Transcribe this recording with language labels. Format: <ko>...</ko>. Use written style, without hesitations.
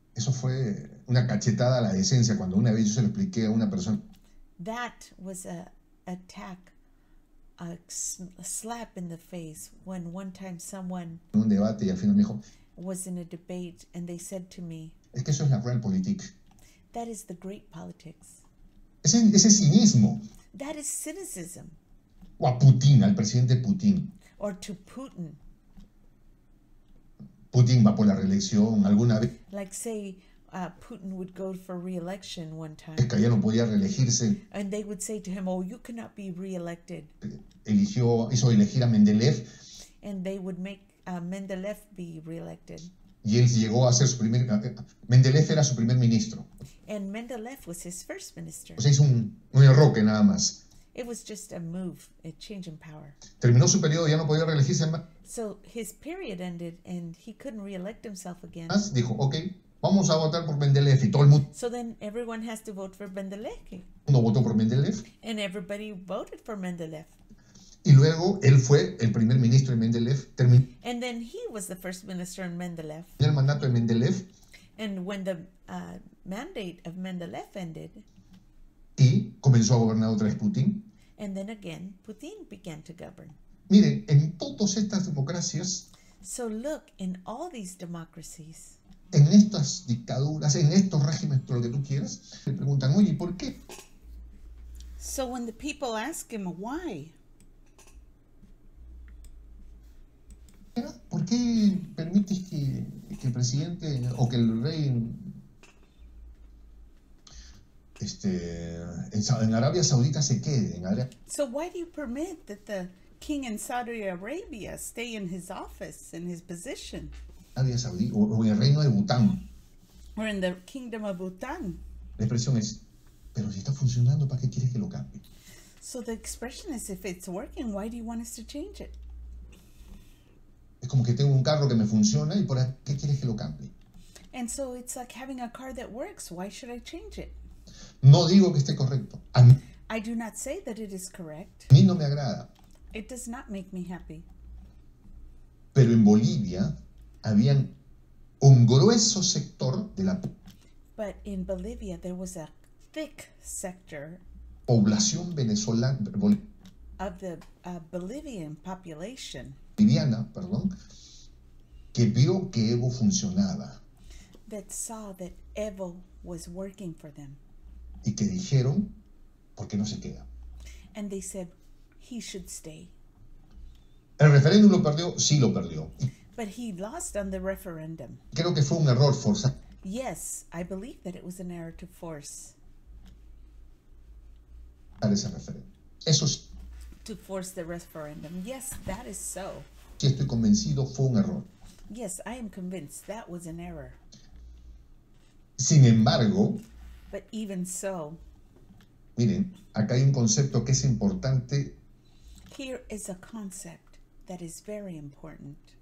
<es>Eso fue una cachetada a la decencia cuando una vez yo se lo expliqué a una persona.</es> <en>That was a attack, a slap in the face when one time someone</en> <es>en un debate y al final me dijo,</es> <en>was in a debate and they said to me,</en> <es>es que eso es la real política.</es> <en>That is the great politics.</en> <es>Ese cinismo.</es> <en>That is cynicism.</en> <es>O a Putin, al presidente Putin.</es> <en>Or to Putin.</en> <es>Putin va por la reelección alguna vez.</es> <en>Like say, Putin would go for re-election one time.</en> <es>Es que ya no podía reelegirse.</es> <en>And they would say to him, oh, you cannot be re-elected.</en> <es>Hizo elegir a Mendeleev.</es> <en>And they would make Mendeleev be re-elected.</en> <es>Y él llegó a ser su primer... Mendeleev era su primer ministro.</es> <en>And Mendeleev was his first minister.</en> <es>O sea, hizo un error que nada más.</es> <en>It was just a move, a change in power.</en> <es>Terminó su periodo, ya no podía reelegirse más.</es> <en>So his period ended and he couldn't re-elect himself again.</en> <es>Dijo, okay, vamos a votar por Mendeleev y todo el mundo.</es> <en>So then everyone has to vote for Mendeleev.</en> <es>Uno votó por Mendeleev.</es> <en>And everybody voted for Mendeleev.</en> <es>Y luego él fue el primer ministro de Mendeleev. Terminó.</es> <en>And then he was the first minister in Mendeleev.</en> <es>Y el mandato de Mendeleev.</es> <en>And when the mandate of Mendeleev ended.</en> <es>Y comenzó a gobernar otra vez Putin.</es> <en>And then again, Putin began to govern.</en> <es>Miren, en todas estas democracias,</es> <en>so look, in all these democracies,</en> <es>en estas dictaduras, en estos regímenes, todo lo que tú quieras, le preguntan, oye, ¿por qué?</es> <en>So when the people ask him why,</en> <es>¿por qué permites que el presidente o que el rey en Arabia Saudita se quede?</es> <en>So why do you permit that the king in Saudi Arabia stay in his office, in his position?</en> <es>Arabia Saudita, o en el reino de Bután.</es> <en>Or in the kingdom of Bhutan.</en> <es>La expresión es, pero si está funcionando, ¿para qué quieres que lo cambie?</es> <en>So the expression is, if it's working, why do you want us to change it?</en> <es>Es como que tengo un carro que me funciona y ¿por qué quieres que lo cambie?</es> <en>And so it's like having a car that works, why should I change it?</en> <es>No digo que esté correcto.</es> <en>I do not say that it is correct.</en> <es>A mí no me agrada.</es> <en>It does not make me happy.</en> <es>Pero en Bolivia había un grueso sector de la</es> <en>But in Bolivia there was a thick sector</en> <es>población venezolana</es> <en>of the Bolivian population.</en> <es>Boliviana, perdón, que vio que Evo funcionaba.</es> <en>That saw that Evo was working for them.</en> <es>Y que dijeron, ¿por qué no se queda?</es> <en>And they said he should stay.</en> <es>¿El referéndum lo perdió? Sí, lo perdió.</es> <en>But he lost on the referendum.</en> <es>Creo que fue un error forzado.</es> <en>Yes, I believe that it was an error to force.</en> <es>A ese referéndum. Eso sí.</es> <en>To force the referendum. Yes, that is so.</en> <es>Sí, estoy convencido, fue un error.</es> <en>Yes, I am convinced that was an error.</en> <es>Sin embargo,</es> <en>but even so,</en> <es>miren, acá hay un concepto que es importante.</es> <en>Here is a concept that is very important.</en>